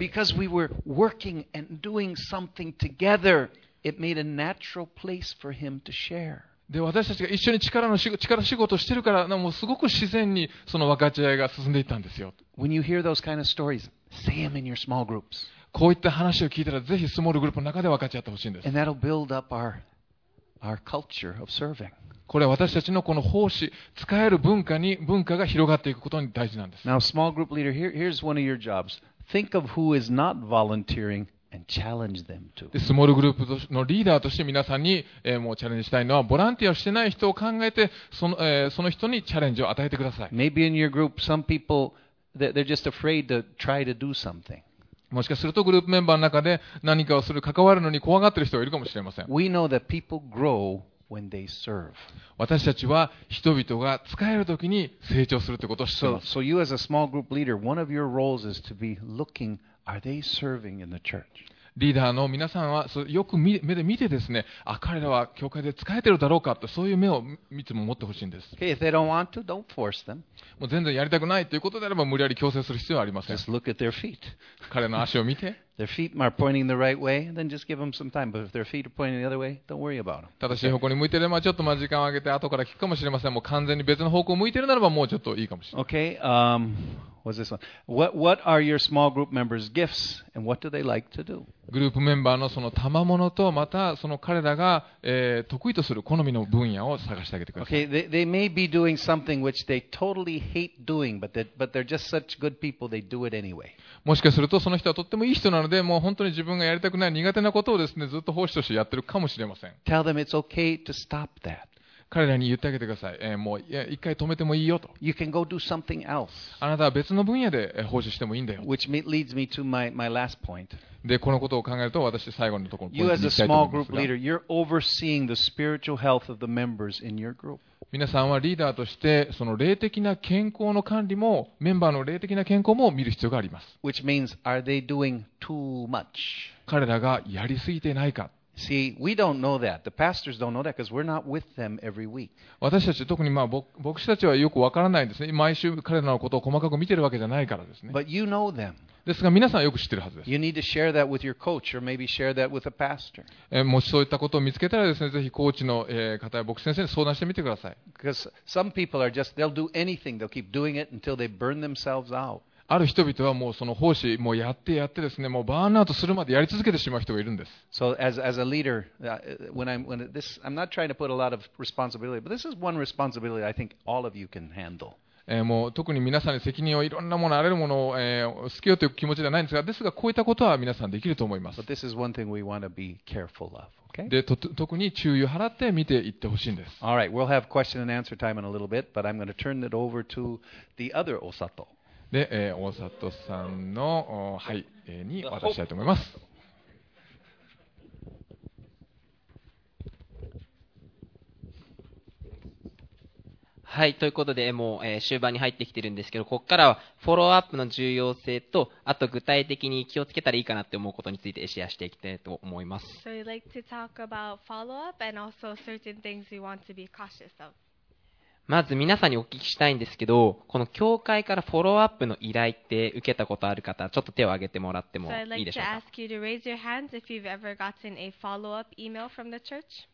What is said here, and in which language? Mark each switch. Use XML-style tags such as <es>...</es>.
<en>And because we were working and doing something together, it made a natural place for him to share.</en> <ja>で私たちが一緒に力仕事をしているからもうすごく自然にその分かち合いが進んでいったんですよ。</ja> <en>When you hear those kind of stories, say them in your small groups.</en> <ja>こういった話を聞いたらぜひスモールグループの中で分かち合ってほしいんです。</ja> <en>And that'll build up our culture of serving.</en> <ja>これは私たちのこの奉仕使える文化が広がっていくことに大事なんです。</ja> <en>Now small group leader, here's one of your jobs. Think of who is not volunteering. And challenge them to.</en> <ja>でスモールグループのリーダーとして皆さんに、もうチャレンジしたいのはボランティアをしてない人を考えてその人にチャレンジを与えてください。</ja> <en>Maybe in your group, some people, they're just afraid to try to do something.</en> <ja>もしかするとグループメンバーの中で何かをする関わるのに怖がってる人がいるかもしれません。</ja> <en>We know that people grow when they serve.</en> <ja>私たちは人々が使えるときに成長するということを知っています。</ja> <en>So you as a small group leader, one of your roles is to be lookingAre they serving in the church?</en> <ja>リーダーの皆さんはよく目で見てですね、あ、彼らは教会で使えてるだろうかと、そういう目をいつも持ってほしいんです。</ja> <en>Okay, if they don't want to, don't force them.</en> <ja>もう全然やりたくないということであれば、無理やり強制する必要はありません。</ja> <en>Just look at their feet.</en> <ja>彼の足を見て。</ja> <en>Their feet are pointing the right way, then just give them some time. But if their feet are pointing the other way, don't worry about them.</en> <ja>正しい方向に向いてれば、ちょっと時間をあげて、後から聞くかもしれません。もう完全に別の方向を向いてるならば、もうちょっといいかもしれません。</ja> <en>Okay, What's this one? What are your small group members' gifts and what do they like to do?</en> <ja>グループメンバーのその賜物とまたその彼らが、得意とする好みの分野を探してあげてください。</ja> <en>Okay, they may be doing something which they totally hate doing, but they're just such good people they do it anyway.</en> <ja>もしかするとその人はとってもいい人なので、もう本当に自分がやりたくない苦手なことをですねずっと奉仕としてやってるかもしれません。</ja> <en>Tell them it's okay to stop that.</en> <ja>彼らに言ってあげてください。もう一回止めてもいいよと。</ja> <en>You can go do something else.</en> <ja>あなたは別の分野で奉仕してもいいんだよ。</ja> <en>Which leads me to my last point.</en> <ja>で、このことを考えると私最後のところに行きたいと思いますが。</ja> <en>Leader, you're overseeing the spiritual health of the members in your group.</en> <ja>皆さんはリーダーとしてその霊的な健康の管理もメンバーの霊的な健康も見る必要があります。</ja> <en>Which means, are they doing too much?</en> <ja>彼らがやりすぎてないか。</ja> <en>See, we don't know that. The pastors don't know that because we're not with them every week.</en> <ja>私たち特に牧師たちはよくわからないんですね。毎週彼らのことを細かく見てるわけじゃないからですね。</ja> <en>But you know them.</en> <ja>ですが皆さんはよく知ってるはずです。</ja> <en>You need to share that with your coach or maybe share that with a pastor.</en> <ja>もしそういったことを見つけたらですね、ぜひコーチの方や牧師先生に相談してみてください。</ja> <en>Because some people are just, they'll do anything. They'll keep doing it until they burn themselves out.</en> <ja>ある人々はもうその奉仕もうやってやってですね、もうバーンアウトするまでやり続けてしまう人がいるんです。</ja> <en>So as a leader, when this, I'm not trying to put a lot of responsibility, but this is one responsibility I think all of you can handle.</en> <ja>もう特に皆さんに責任をいろんなものあれるものを好きよという気持ちではないんですが、ですがこういったことは皆さんできると思います。</ja> <en>But this is one thing we want to be careful of, okay?</en> <ja>で、特に注意を払って見ていってほしいんです。</ja> <en>All right, we'll have question and answer time in a little bit, but I'm going to turn it over to the other Osato.</en> <ja>で、大里さんの、はい、に渡したいと思います。はい、ということで、もう、終盤に入ってきてるんですけど、ここからはフォローアップの重要性と、あと具体的に気をつけたらいいかなって思うことについてシェアしていきたいと思います。</ja> <en>So you'd like to talk about follow-up and also certain things you want to be cautious of.</en> <ja>まず皆さんにお聞きしたいんですけど、この教会からフォローアップの依頼って受けたことある方、ちょっと手を挙げてもらってもいいでしょうか。</ja> <en>So I'd like to ask you to raise your hands if you've ever gotten a follow-up email from the church.</en>